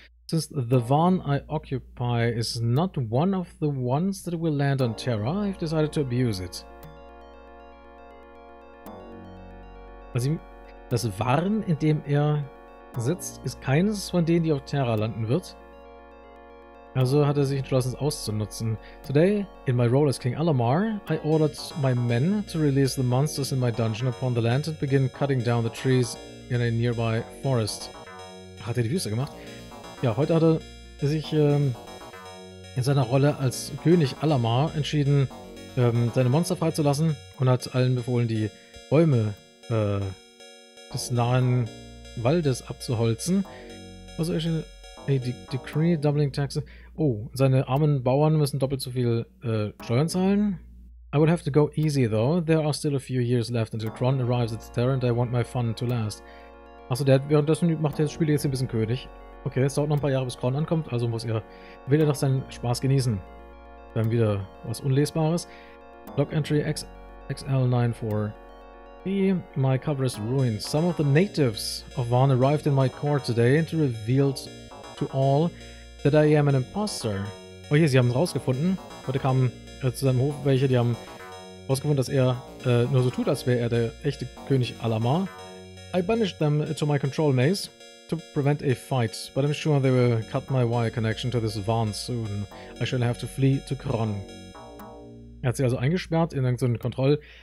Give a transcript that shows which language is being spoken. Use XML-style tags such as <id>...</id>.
<en>Since the Varn I occupy is not one of the ones that will land on Terra, I've decided to abuse it.</en> <de>Also das Varn, in dem er sitzt, ist keines von denen, die auf Terra landen wird. Also hat er sich entschlossen, es auszunutzen.</de> <en>Today, in my role as King Alamar, I ordered my men to release the monsters in my dungeon upon the land and begin cutting down the trees in a nearby forest.</en> <de>Hat er die Wüste gemacht? Ja, heute hat er sich in seiner Rolle als König Alamar entschieden, seine Monster freizulassen und hat allen befohlen, die Bäume des nahen Waldes abzuholzen. Also, hey,</de> <en>Decree, Doubling Taxes.</en> <de>Oh, seine armen Bauern müssen doppelt so viel Steuern zahlen.</de> <en>I would have to go easy though. There are still a few years left until Kron arrives at Terra and I want my fun to last.</en> <de>Achso, währenddessen macht das Spiel jetzt ein bisschen König. Okay, es dauert noch ein paar Jahre, bis Kron ankommt, also will er doch seinen Spaß genießen. Dann wieder was Unlesbares.</de> <en>Log Entry XL94. My cover is ruined. Some of the natives of Varn arrived in my court today and revealed to all that I am an imposter.</en> <de>Oh hier, sie haben es rausgefunden. Heute kamen zu seinem Hof welche, die haben rausgefunden, dass er nur so tut, als wäre er der echte König Alamar.</de> <en>I banished them to my control maze to prevent a fight, but I'm sure they will cut my wire connection to this Varn soon. I shall have to flee to Kron.</en> <de>Er hat sie also eingesperrt in irgend so ein Kontroll.</de>